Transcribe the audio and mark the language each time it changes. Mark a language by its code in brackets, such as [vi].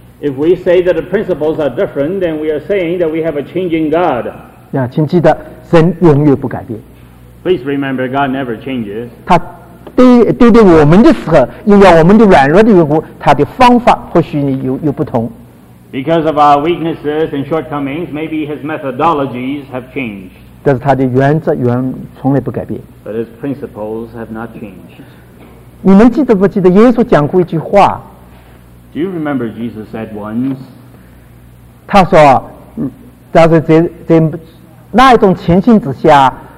[en] If we say that the principles are different, then we are saying that we have a changing God. [zh] 请记得，神永远不改变。 [en] Please remember, God never changes. [zh] 他对我们的时候，因为我们的软弱的缘故，他的方法或许有不同。 [en] Because of our weaknesses and shortcomings, maybe His methodologies have changed. [zh] 但是他的原则从来不改变。 [en] But His principles have not changed. [zh] 你们记得不记得耶稣讲过一句话？ [en] Do you remember Jesus said once? [zh] 他说，但是在那一种情形之下。